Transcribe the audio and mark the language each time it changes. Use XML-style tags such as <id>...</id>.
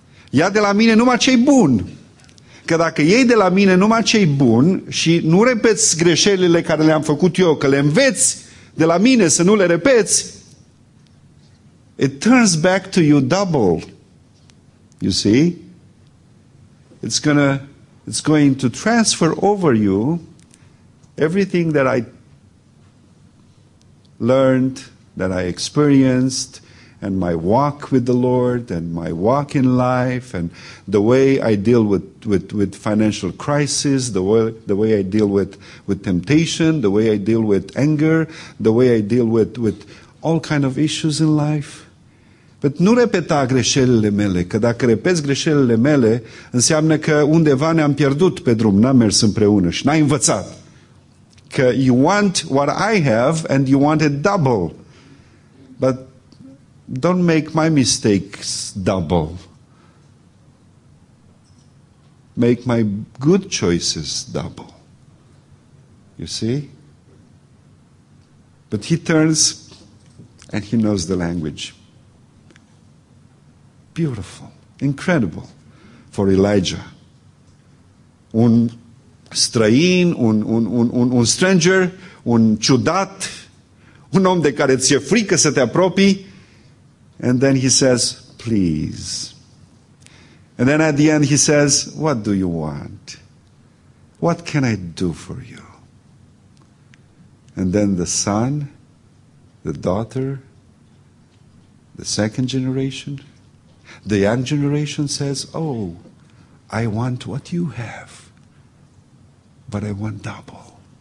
<ro>Ia de la mine numai ce-i bun. Că dacă iei de la mine numai ce-i bun și nu repeți greșelile care le-am făcut eu, că le înveți de la mine să nu le repeți,</ro> <en>it turns back to you double. You see? It's going to transfer over you everything that I learned, that I experienced, and my walk with the Lord, and my walk in life, and the way I deal with financial crisis, the way I deal with temptation, the way I deal with anger, the way I deal with all kind of issues in life.</en> <ro>But nu repeta greșelile mele, că dacă repeți greșelile mele, înseamnă că undeva ne-am pierdut pe drum, n-am mers împreună și n-ai învățat.</ro> <en>Că you want what I have, and you want it double. But don't make my mistakes double. Make my good choices double. You see? But he turns and he knows the language. Beautiful. Incredible. For Elijah.</en> <ro>Un străin, un stranger, un ciudat, un om de care ți-e frică să te apropii.</ro> <en>And then he says, please. And then at the end he says, what do you want? What can I do for you? And then the son, the daughter, the second generation, the young generation says, oh, I want what you have, but I want double.</en>